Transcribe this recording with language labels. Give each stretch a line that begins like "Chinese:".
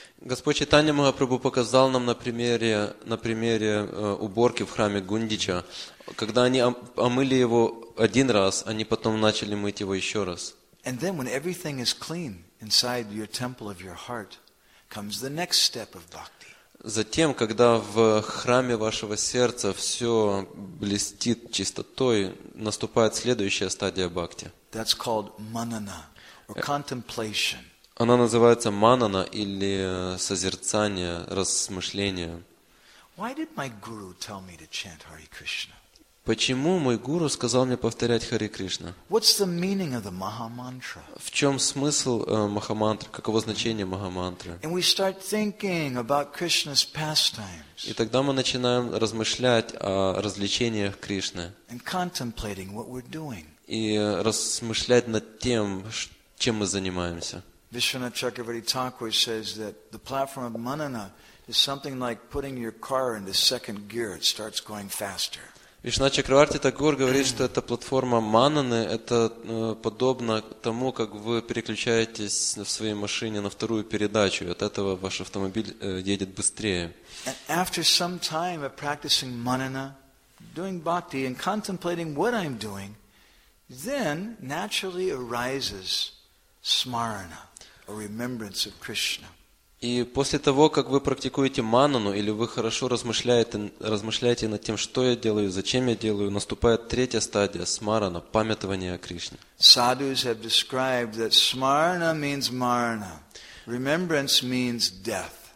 Russian: Господь Чайтанья Махапрабху показал нам на примере уборки в храме Гундича. Когда они омыли его один раз, они потом начали мыть его еще раз.
English: And then when everything is clean inside your temple of your heart, comes the next step of bhakti.
Russian: Затем, когда в храме вашего сердца все блестит чистотой, наступает следующая стадия бхакти.
English: That's called manana, or contemplation.
Russian: Она называется манана или созерцание, размышление.
English: Why did my guru tell me to chant Hare Krishna?
Russian: Почему мой гуру сказал мне повторять Харе Кришна?
English: What's the meaning of the Mahamantra?
Russian: В чем смысл Махамантры? Каково значение Махамантры?
English: And we start thinking about Krishna's pastimes.
Russian: И тогда мы начинаем размышлять о развлечениях Кришны.
English: And contemplating what we're doing.
Russian: И размышлять над тем, чем мы занимаемся.
English: Vishwanath Chakravarti Thakur says that the platform of manana is something like putting your car into second gear. It starts going faster.
Russian: Вишнава Чакраварти Тагур говорит, что эта платформа Мананы это подобно тому, как вы переключаетесь в своей машине на вторую передачу. От этого ваш автомобиль едет быстрее.
English: And after some time of practicing manana, doing bhakti and contemplating what I'm doing, then naturally arises smarana, a remembrance of Krishna.
Russian: И после того, как вы практикуете манану, или вы хорошо размышляете над тем, что я делаю, зачем я делаю, наступает третья стадия – смарана, памятование о Кришне.
English: Sadhus have described that smarana means marana. Remembrance means death.